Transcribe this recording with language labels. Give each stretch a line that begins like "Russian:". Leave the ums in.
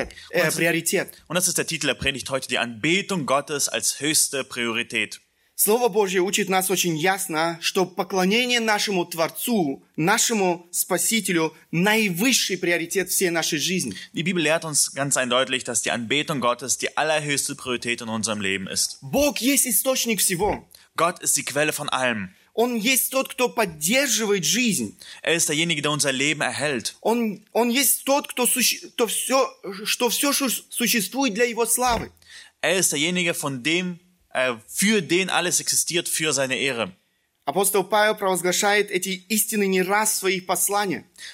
German: Und das, ist, Und das ist der Titel der Predigt heute, die Anbetung Gottes als höchste Priorität.
Russian: Слово Божье учит нас очень ясно, что поклонение нашему Творцу, нашему Спасителю – наивысший приоритет всей нашей жизни.
German: Die Bibel lehrt uns ganz eindeutig, dass die Anbetung Gottes die allerhöchste Priorität in unserem Leben ist.
Russian: Бог есть источник всего.
German: Gott ist die Quelle von allem.
Russian: Он есть тот, кто поддерживает жизнь.
German: Er ist derjenige, der unser Leben erhält.
Russian: Он, он есть тот, кто то все, что все существует для Его славы.
German: Er ist derjenige, von dem für den alles existiert, für seine Ehre.
Russian: Апостол Павел провозглашает эти истины не раз в своих посланиях.